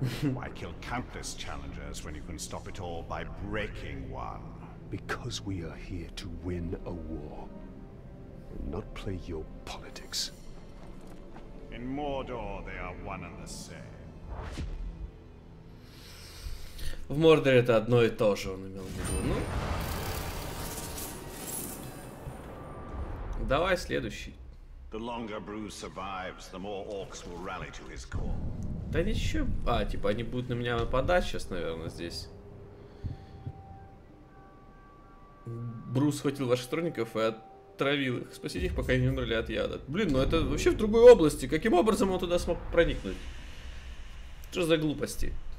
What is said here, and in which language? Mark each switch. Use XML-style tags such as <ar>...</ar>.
<en>Why kill countless challengers when you can stop it all by breaking one? because we are here to win a war, and not play your politics. In Mordor, they are one and the same.</en> <ru>В Мордоре это одно и то же, он имел в виду. Ну, давай следующий.</ru> <en>The longer Bruce survives, the more orcs will rally to his call.</en> <ru>Да ничего. А, типа они будут на меня нападать сейчас, наверное, здесь. Брус схватил ваших сторонников и отравил их. Спасите их, пока они не умерли от яда. Блин, ну это вообще в другой области. Каким образом он туда смог проникнуть? Что за глупости?</ru>